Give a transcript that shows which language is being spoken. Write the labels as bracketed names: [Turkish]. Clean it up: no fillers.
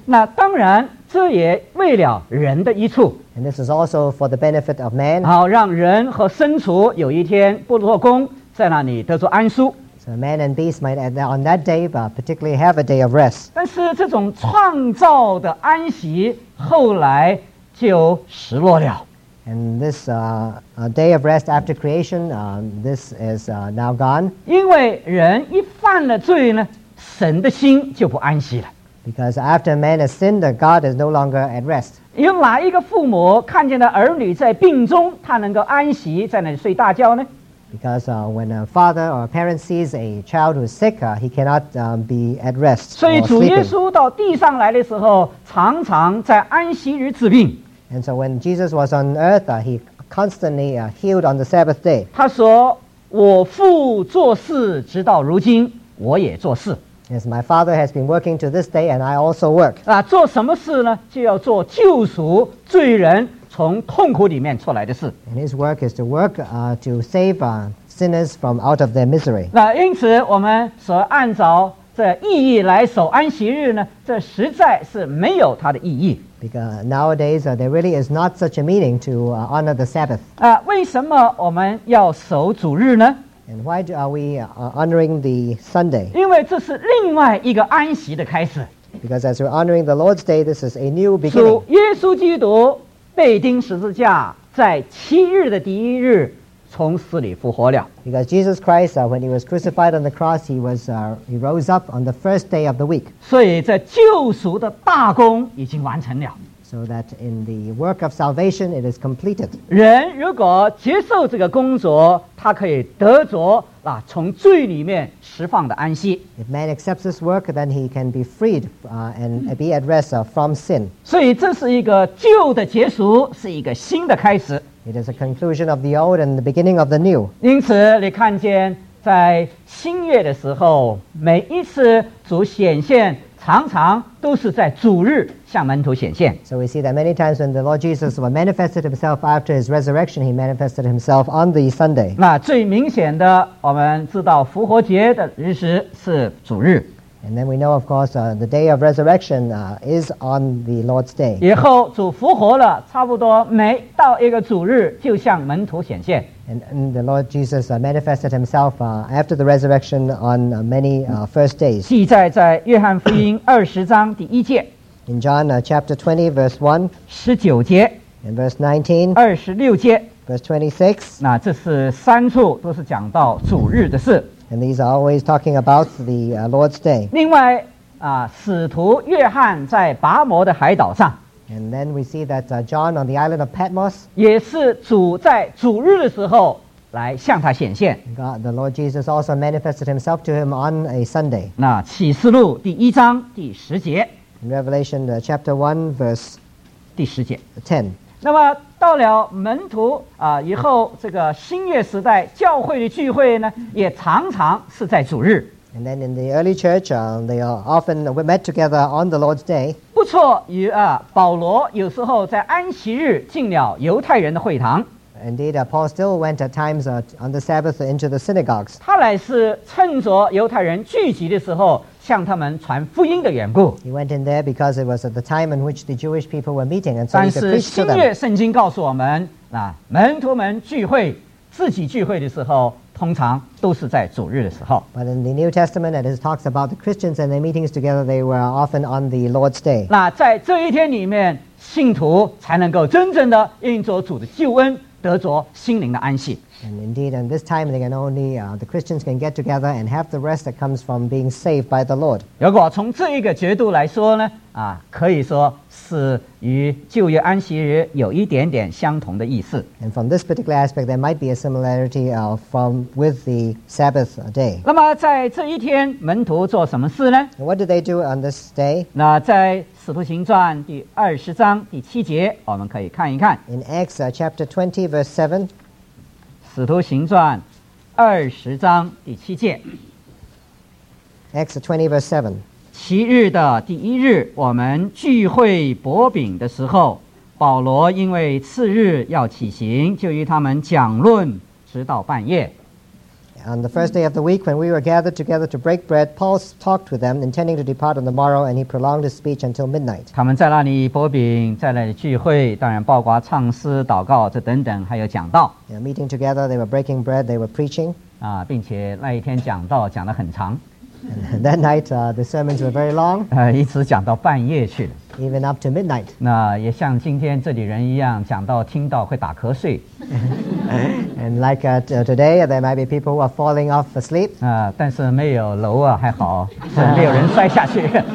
[Chinese] 那当然这也为了人的益处。 [English] And this is also for the benefit of man. [Chinese] 好让人和牲畜有一天不做工在那里得着安舒。 [English] So man and beast might on that day particularly have a day of rest. [Chinese] 但是这种创造的安息后来就失落了。 [English] And this day of rest after creation, this is now gone. [Chinese] 因为人一犯了罪呢，神的心就不安息了。 [English] Because after man has sinned, God is no longer at rest. [Chinese] 有哪一个父母看见了儿女在病中，他能够安息在那里睡大觉呢？ [English] Because when a father or a parent sees a child who is sick, he cannot be at rest. [Chinese] 所以主耶稣到地上来的时候，常常在安息日治病。 [English] And so when Jesus was on earth, he constantly healed on the Sabbath day. [Chinese] 他说我父做事直到如今我也做事。 [English] Yes, my father has been working to this day and I also work. [Chinese] 做什么事呢就要做救赎罪人从痛苦里面出来的事。 [English] And his work is to work to save sinners from out of their misery. [Chinese] 因此我们所按照这意义来守安息日呢这实在是没有它的意义。 [English] Because nowadays there really is not such a meaning to honor the Sabbath. [Chinese] 为什么我们要守主日呢？ [English] And why are we honoring the Sunday? [Chinese] 因为这是另外一个安息的开始。 [English] Because as we're honoring the Lord's Day, this is a new beginning. [Chinese] 主耶稣基督被钉十字架，在七日的第一日从死里复活了。 [English] Because Jesus Christ, when he was crucified on the cross, he rose up on the first day of the week. [Chinese] 所以这救赎的大功已经完成了。 [English] So that in the work of salvation, it is completed. [Chinese] 人如果接受这个工作，他可以得着啊从罪里面释放的安息。 [English] If man accepts this work, then he can be freed and be at rest from sin. [Chinese] 所以这是一个旧的结束，是一个新的开始。 [English] It is a conclusion of the old and the beginning of the new. [Chinese] 因此你看见在新月的时候每一次主显现常常都是在主日向门徒显现。 [English] So we see that many times when the Lord Jesus manifested himself after his resurrection, he manifested himself on the Sunday. [Chinese] 那最明显的我们知道复活节的日时是主日。 [English] And then we know of course the day of resurrection is on the Lord's day. [Chinese] 以后主复活了差不多每到一个主日就向门徒显现。 [English] And the Lord Jesus manifested himself after the resurrection on many first days. [Chinese] 记载在约翰福音二十章第一节。 [English] In John chapter 20 verse 1. [Chinese] 十九节。 [English] In verse 19. [Chinese] 二十六节。 [English] Verse 26. [Chinese] 那这是三处都是讲到主日的事。 [English] And these are always talking about the Lord's day. [Chinese] 另外使徒约翰在拔摩的海岛上。 [English] And then we see that John on the island of Patmos [Chinese] 也是主在主日的时候来向他显现。 [English] God, the Lord Jesus also manifested himself to him on a Sunday. [Chinese] 那启示录第一章第十节。 [English] In Revelation chapter 1 verse [Chinese] 第十节 [English] 10. [Chinese] 那么到了门徒以后这个新约时代教会的聚会呢也常常是在主日。 [English] And then in the early church, they are often met together on the Lord's Day. [Chinese] 不错于保罗有时候在安息日进了犹太人的会堂。 [English] Indeed, Paul still went at times on the Sabbath into the synagogues. [Chinese] 他乃是趁着犹太人聚集的时候向他们传福音的缘故。 [English] He went in there because it was at the time in which the Jewish people were meeting, and so he preached to them. [Chinese] 但是新约圣经告诉我们，门徒们聚会，自己聚会的时候。通常都是在主日的时候。 [English] But in the New Testament, it talks about the Christians and their meetings together. They were often on the Lord's Day. [Chinese] 那在这一天里面，信徒才能够真正的应着主的救恩，得着心灵的安息。 [English] And indeed, in this time, they can only the Christians can get together and have the rest that comes from being saved by the Lord. [Chinese] 如果从这一个角度来说呢，啊，可以说是与旧约安息日有一点点相同的意思。 [English] And from this particular aspect, there might be a similarity from with the Sabbath day. [Chinese] 那么在这一天，门徒做什么事呢 [English] ？What do they do on this day? [Chinese] 那在使徒行传第二十章第七节，我们可以看一看。 [English] In Acts chapter 20, verse 7. [Chinese] 使徒行传二十章第七节 [English] Acts 20 verse 7 [Chinese] 七日的第一日我们聚会薄饼的时候保罗因为次日要起行就与他们讲论直到半夜 [English] On the first day of the week when we were gathered together to break bread Paul talked to them intending to depart on the morrow and he prolonged his speech until midnight [Chinese] 他们在那里薄饼在那里聚会当然包括唱诗祷告这等等还有讲道 [English] They were meeting together, they were breaking bread, they were preaching. [Chinese] 啊，并且那一天讲道讲得很长。 [English] And that night, the sermons were very long. [Chinese] 一直讲到半夜去了。 [English] Even up to midnight. [Chinese] 那也像今天这里人一样，讲到听到会打瞌睡。 [English] And like today, there might be people who are falling off asleep. [Chinese] 啊，但是没有楼啊，还好，没有人摔下去。